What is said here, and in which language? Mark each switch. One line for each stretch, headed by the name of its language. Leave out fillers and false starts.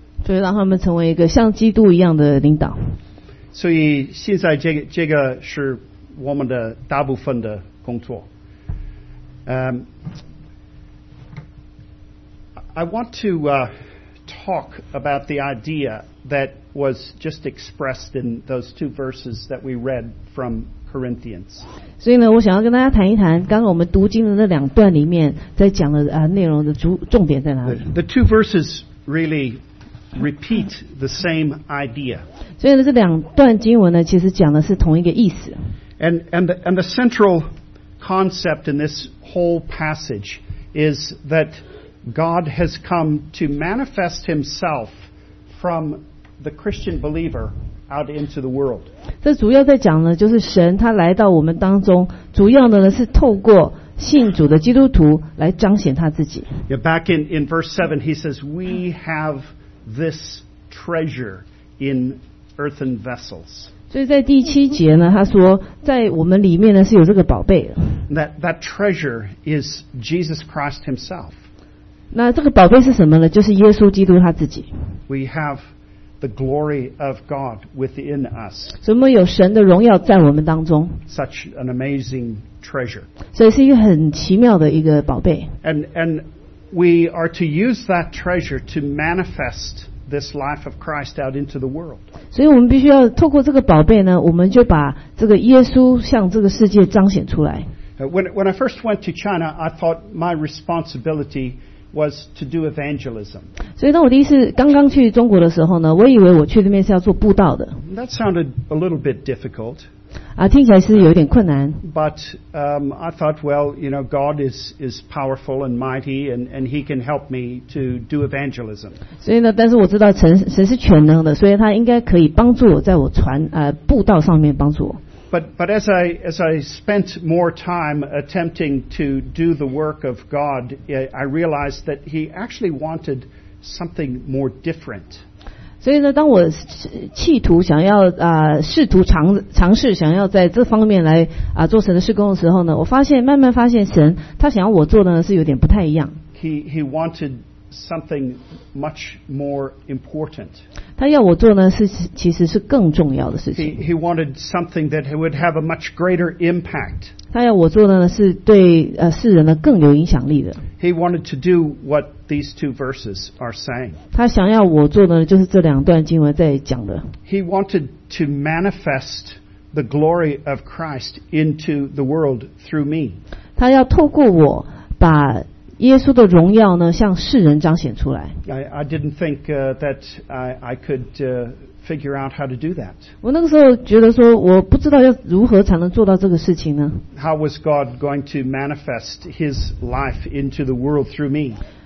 Chinese: 就是让他们成为一个像基督一样的领导。所以现在这个是我们的大部分的工作。
English: I want to talk about the idea that was just expressed in those two verses that we read from Corinthians.
Chinese: 所以呢，我想要跟大家谈一谈刚刚我们读经的那两段里面在讲的内容的重点在哪里。
English: The two verses really. Repeat the same idea.
Chinese: 所以呢，这两段经文呢，其实讲的是同一个意思。
English: And the central concept in this whole passage is that God has come to manifest Himself from the Christian believer out into the world.
Chinese: 这主要在讲呢，就是神他来到我们当中，主要的呢是透过信主的基督徒来彰显他自己。
English: Yeah, back in verse 7, he says, "We have." This treasure in earthen vessels.
Chinese: 所以在第七节呢，他说，在我们里面呢是有这个宝贝。
English: That treasure is Jesus Christ Himself.
Chinese: 那这个宝贝是什么呢？就是耶稣基督他自己。
English: We have the glory of God within us.
Chinese: 所以我们有神的荣耀在我们当中。
English: Such an amazing treasure.
Chinese: 所以是一个很奇妙的一个宝贝。
English: And We are to use that treasure to manifest this life of Christ out into the world.
Chinese: 所以我们必须要透过这个宝贝呢，我们就把这个耶稣向这个世界彰显出来。
English: When I first went to China, I thought my responsibility was to do evangelism.
Chinese: 所以当我第一次刚刚去中国的时候呢，我以为我去那边是要做布道的。
English: That sounded a little bit difficult.
Chinese: 啊，听起来是有点困难。
English: But I thought, well, you know, God is powerful and mighty, and He can help me to do evangelism.
Chinese: 所以呢，但是我知道神是全能的，所以他应该可以帮助我在我传布道上面帮助我。
English: But as I spent more time attempting to do the work of God, I realized that He actually wanted something more different.
Chinese: 所以呢，当我企图想要试图尝试想要在这方面来做神的事工的时候呢，我发现慢慢发现神他想要我做的呢是有点不太一样。
English: He wanted something much more important.
Chinese: 他要我做呢, 其实是更重要的事情。
English: He wanted something that would have a much greater impact.
Chinese: 他要我做的呢, 是对, 世人呢, 更有影响力的。
English: He wanted to do what these two verses are saying.
Chinese: 他想要我做的呢, 就是这两段经文在讲的。
English: He wanted to manifest the glory of Christ into the world through me.
Chinese: 他要透过我, 把耶稣的荣耀呢向世人彰显出来。
English: I didn't think that I could figure out how to do that.
Chinese: 我那个时候觉得说我不知道要如何才能做到这个事情呢。
English: How was God going to manifest his life into the world through me?